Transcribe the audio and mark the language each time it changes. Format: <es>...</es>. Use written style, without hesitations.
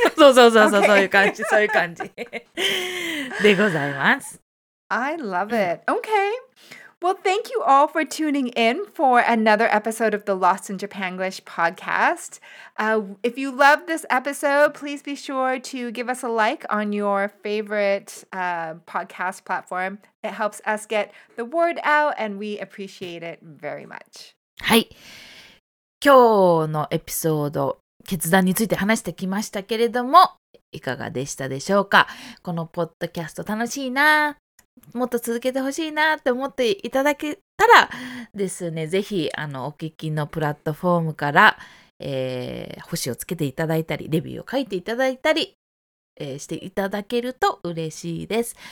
<ja>そうそうそうそう、okay. そういう感じ、そういう感じでございます。</ja> <en>I love it. Okay. Well, thank you all for tuning in for another episode of the Lost in Japanglish podcast. If you love this episode, please be sure to give us a like on your favorite podcast platform. It helps us get the word out and we appreciate it very much.</en> <ja>はい。今日のエピソード決断について話してきましたけれども、いかがでしたでしょうか。このポッドキャスト楽しいな、もっと続けてほしいなって思っていただけたらですね、ぜひお聞きのプラットフォームから、星をつけていただいたり、レビューを書いていただいたり、していただけると嬉しいです。</ja>